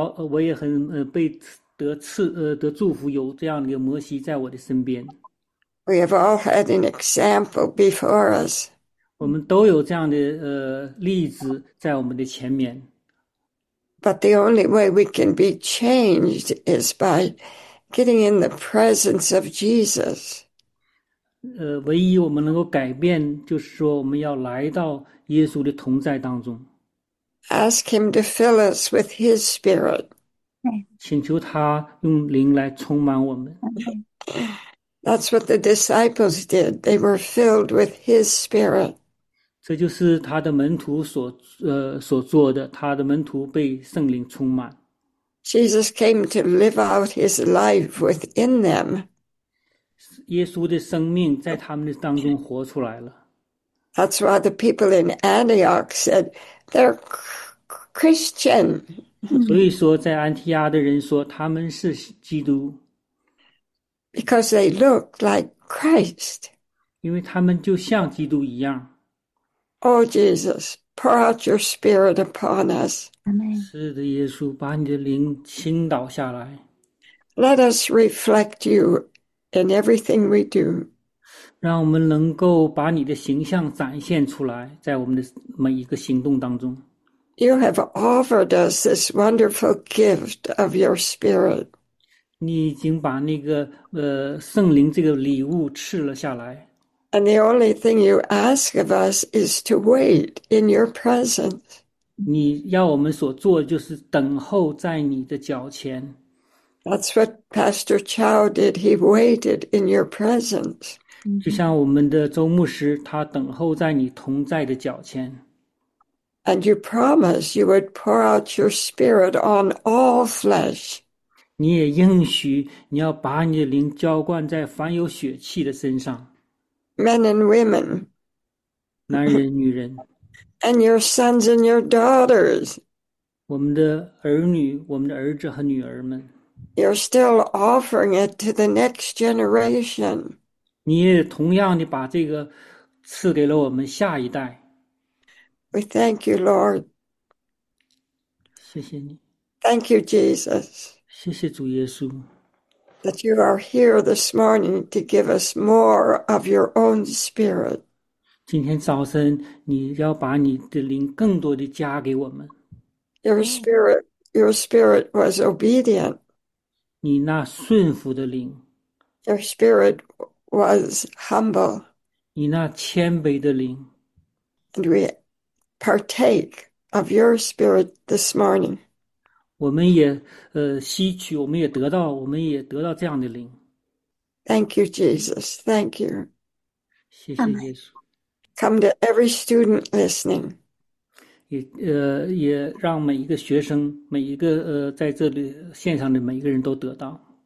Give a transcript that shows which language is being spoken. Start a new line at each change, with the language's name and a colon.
Chinese: 我也很被得赐得祝福，有这样的一个摩西在我的身边。
English: We have all had an example before us.
Chinese: 我们都有这样的例子在我们的前面。
English: But the only way we can be changed is by getting in the presence of Jesus.
Chinese: 唯一我们能够改变，就是说我们要来到耶稣的同在当中。
English: Ask him to fill us with his spirit.
Chinese: 请求他用灵来充满我们。
English: That's what the disciples did. They were filled with his spirit.
Chinese: 这就是他的门徒所做的，他的门徒被圣灵充满。
English: Jesus came to live out his life within them.
Chinese: 耶稣的生命在他们的当中活出来了。
English: That's why the people in Antioch said they're Christian.
Chinese: 所以说，在安提亚的人说他们是基督，
English: Because they look like Christ.
Chinese: 因为他们就像基督一样。
English: Oh, Jesus, pour out your spirit upon us. Amen.
Chinese: 是的，耶稣，把你的灵倾倒下来，
English: Let us reflect you in everything we do.
Chinese: 让我们能够把你的形象展现出来，在我们的每一个行动当中。
English: You have offered us this wonderful gift of your Spirit.
Chinese: 你已经把那个圣灵这个礼物赐了下来。
English: And the only thing you ask of us is to wait in your presence.
Chinese: 你要我们所做的就是等候在你的脚前。
English: That's what Pastor Chow did. He waited in your presence.
Chinese: 就像我们的周牧师，他等候在你同在的脚前。
English: And you promised you would pour out your Spirit on all flesh.
Chinese: 你也应许你要把你的灵浇灌在凡有血气的身上。
English: Men and women.
Chinese: 男人女人。
English: And your sons and your daughters.
Chinese: 我们的儿女，我们的儿子和女儿们。
English: You're still offering it to the next generation.
Chinese: 你也同样的把这个赐给了我们下一代。
English: We thank you, Lord.
Chinese: 谢谢你。
English: Thank you, Jesus.
Chinese: 谢谢主耶稣。
English: That you are here this morning to give us more of your own spirit.
Chinese: 今天早晨你要把你的灵更多的加给我们。
English: Your spirit was obedient.
Chinese: 你那顺服的灵。
English: Your spirit was humble.
Chinese: 你那谦卑的灵。
English: And we partake of your spirit this morning.
Chinese: 我们也吸取，我们也得到，我们也得到这样的灵。
English: Thank you, Jesus. Thank you.
Chinese: 谢谢耶稣。
English: Come to every student listening.
Chinese: 也让每一个学生，每一个在这里线上的每一个人都得到。